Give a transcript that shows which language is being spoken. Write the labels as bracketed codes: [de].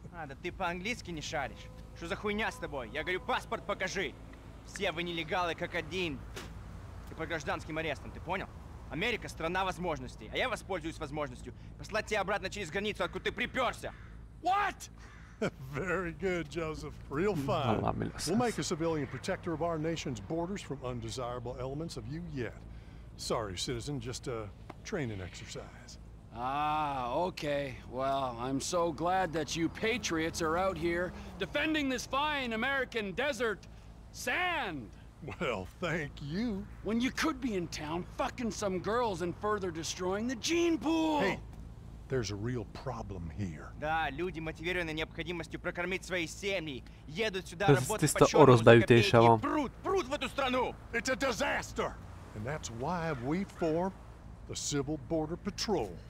[ru] А, да ты по-английски не шаришь? Что за хуйня с тобой? Я говорю, паспорт покажи. Все вы нелегалы как один. И по гражданским арестам, ты понял? Америка — страна возможностей. А я воспользуюсь возможностью послать тебя обратно через границу, откуда ты приперся. [en] What? Very good, Joseph. Real fine. We'll make a civilian protector of our nation's borders from undesirable elements of you yet. Sorry, citizen, just a training exercise. Ah, okay. Well, I'm so glad that you patriots are out here defending this fine American desert sand. Well, thank you. When you could be in town fucking some girls and further destroying the gene pool. Hey. There's a real problem here. [ru] Да, люди, мотивированные необходимостью прокормить свои семьи, едут сюда работать по чёрному. Прут в эту страну. [en] It's a disaster. And that's why we form the Civil Border Patrol.